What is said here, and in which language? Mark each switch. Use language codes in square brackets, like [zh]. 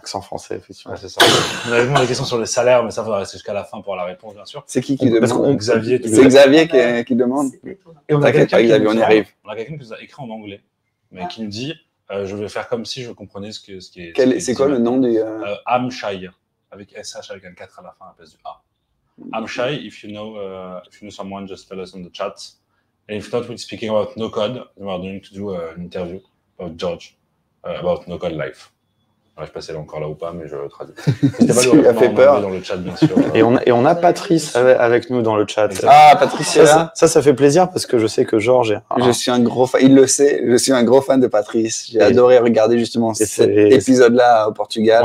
[fr] On avait vraiment des questions sur le salaire, mais ça, il faudra rester jusqu'à la fin pour la réponse, bien sûr. C'est qui demande? Parce qu'on... Xavier, tu c'est Xavier qui demande. T'inquiète pas, Xavier, on y arrive. On a quelqu'un qui nous a écrit en anglais, mais qui nous dit... je vais faire comme si je comprenais ce qui est. C'est quoi le nom du. Hampshire, avec SH avec un 4 à la fin à la place du A. [en] Hampshire, if you know someone, just tell us in the chat. And if not, we're speaking about no code. We're going to do an interview about George, about no code life. [fr] Je ne sais pas si elle est encore là ou pas, mais je le traduis. Tu lui as fait peur. Dans le chat, bien sûr. Et on a Patrice avec nous dans le chat. Ah, Patrice, ça, ça fait plaisir parce que je sais que Georges est... Je suis un gros fan, il le sait, je suis un gros fan de Patrice. J'ai adoré regarder justement cet épisode-là au Portugal.